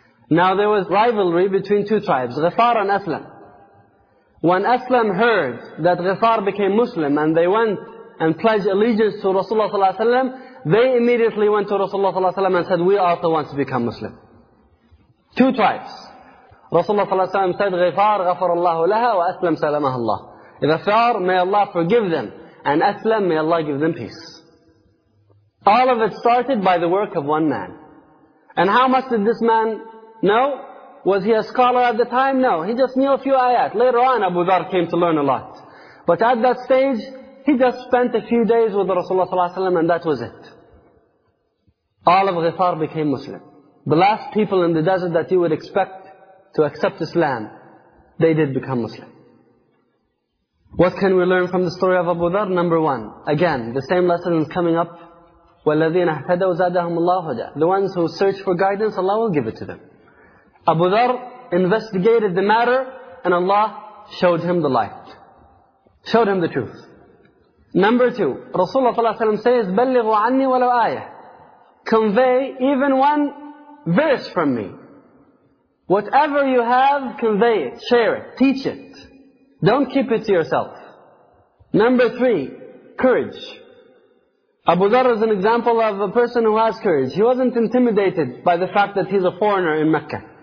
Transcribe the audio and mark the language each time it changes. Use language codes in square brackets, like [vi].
[en] Now there was rivalry between two tribes, Ghifar and Aslam. When Aslam heard that Ghifar became Muslim and they went and pledged allegiance to Rasulullah ﷺ, they immediately went to Rasulullah ﷺ and said, we are the ones to become Muslim. Two tribes. Rasulullah ﷺ said, Ghifar [ar] غَفَرَ اللَّهُ لَهَا وَأَسْلَمْ سَلَمَهَا اللَّهُ. [en] Ghifar, may Allah forgive them. And Aslam, may Allah give them peace. All of it started by the work of one man. And how much did this man know? Was he a scholar at the time? No. He just knew a few ayat. Later on, Abu Dharr came to learn a lot. But at that stage, he just spent a few days with Rasulullah ﷺ and that was it. All of Ghifar became Muslim. The last people in the desert that you would expect to accept Islam, they did become Muslim. What can we learn from the story of Abu Dharr? Number one, again, the same lesson is coming up. [ar] وَالَّذِينَ اَحْتَدَوْ زَادَهُمُ اللَّهُ هُدَى. [en] The ones who search for guidance, Allah will give it to them. Abu Dharr investigated the matter and Allah showed him the light. Showed him the truth. Number two, Rasulullah ﷺ says, [ar] بَلِّغُوا عَنِّي وَلَوْ آيَةً. [en] Convey even one verse from me. Whatever you have, convey it, share it, teach it. Don't keep it to yourself. Number three, courage. Abu Dharr is an example of a person who has courage. He wasn't intimidated by the fact that he's a foreigner in Mecca.